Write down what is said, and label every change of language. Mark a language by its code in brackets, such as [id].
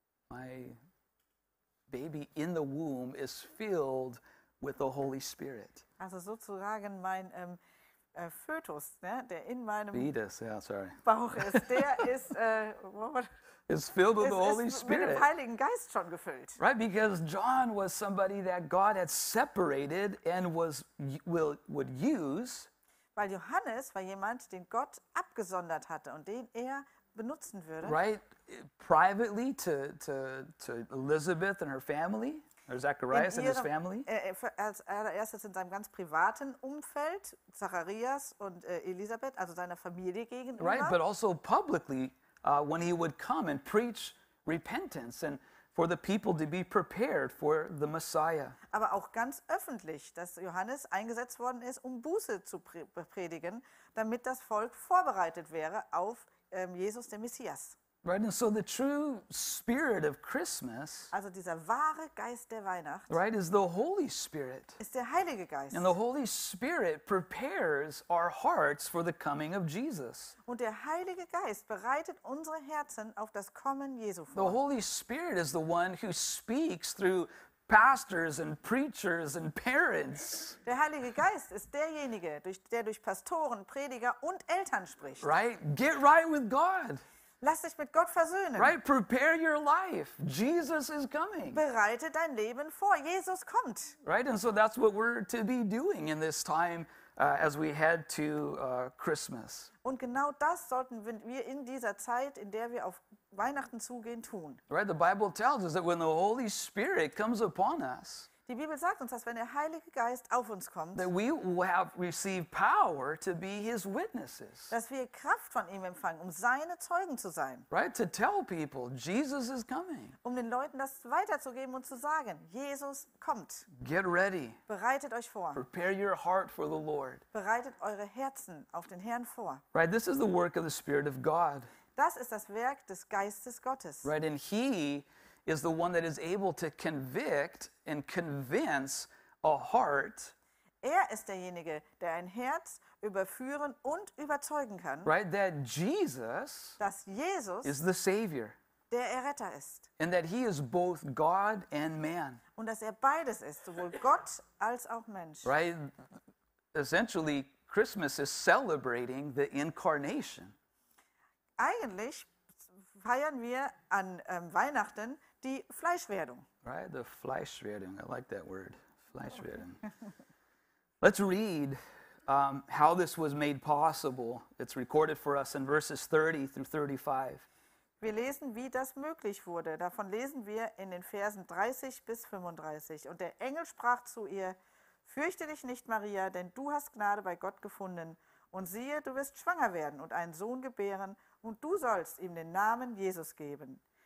[en] My baby in the womb is filled with the Holy Spirit. [de] Also sozusagen mein Fötus, ne, der in meinem [en] Fetus, yeah, sorry. [de] Bauch ist, der ist, [en] is filled with the Holy Spirit. [de] Mit dem Heiligen Geist schon gefüllt. [en] Right, because John was somebody that God had separated and would use. [de] Weil Johannes war jemand, den Gott abgesondert hatte und den er benutzen würde. [en] Right, privately to Elizabeth and her family. Or Zacharias and his family? [de] Als allererstes in seinem ganz privaten Umfeld, Zacharias und Elisabeth, also seiner Familie gegenüber. [en] Right, but also publicly, when he would come and preach repentance and for the people to be prepared for the Messiah. [de] Aber auch ganz öffentlich, dass Johannes eingesetzt worden ist, um Buße zu predigen, damit das Volk vorbereitet wäre auf Jesus, den Messias. [en] Right, and so the true spirit of Christmas, [de] also dieser wahre Geist der Weihnacht, [en] right, is the Holy Spirit. [de] Ist der Heilige Geist. [en] And the Holy Spirit prepares our hearts for the coming of Jesus. [de] Und der Heilige Geist bereitet unsere Herzen auf das Kommen Jesu vor. [en] The Holy Spirit is the one who speaks through pastors and preachers and parents. [de] Der Heilige Geist ist derjenige, der durch Pastoren, Prediger und Eltern spricht. [en] Right, get right with God. [de] Lass dich mit Gott versöhnen. [en] Right, prepare your life. Jesus is coming. [de] Bereite dein Leben vor. Jesus kommt. [en] Right, and so that's what we're to be doing in this time As we head to Christmas. [de] Und genau das sollten wir in dieser Zeit, in der wir auf Weihnachten zugehen, tun. [en] Right, the Bible tells us that when the Holy Spirit comes upon us. [de] Die Bibel sagt uns, dass wenn der Heilige Geist auf uns kommt, [en] that we have received power to be his witnesses. [de] Dass wir Kraft von ihm empfangen, um seine Zeugen zu sein. [en] Right, to tell people Jesus is coming. [de] Um den Leuten das weiterzugeben und zu sagen, Jesus kommt. [en] Get ready. [de] Bereitet euch vor. [en] Prepare your heart for the Lord. [de] Bereitet eure Herzen auf den Herrn vor. [en] Right, this is the work of the Spirit of God. [de] Das ist das Werk des Geistes Gottes. [en] Right, and he is the one that is able to convict and convince a heart. [de] Er ist derjenige, der ein Herz überführen und überzeugen kann. [en] Right, that Jesus, [de] dass Jesus [en] is the Savior. [de] Der Erretter ist. [en] And that he is both God and man. [de] Und dass er beides ist, sowohl Gott als auch Mensch. [en] Right, essentially Christmas is celebrating the incarnation. [de] Eigentlich feiern wir an Weihnachten die Fleischwerdung. [en] Right, the Fleischwerdung. I like that word, Fleischwerdung. Okay. Let's read how this was made possible. It's recorded for us in verses 30 through 35. [de] Wir lesen, wie das möglich wurde. Davon lesen wir in den Versen 30 bis 35. Und der Engel sprach zu ihr, fürchte dich nicht, Maria, denn du hast Gnade bei Gott gefunden. Und siehe, du wirst schwanger werden und einen Sohn gebären. Und du sollst ihm den Namen Jesus geben.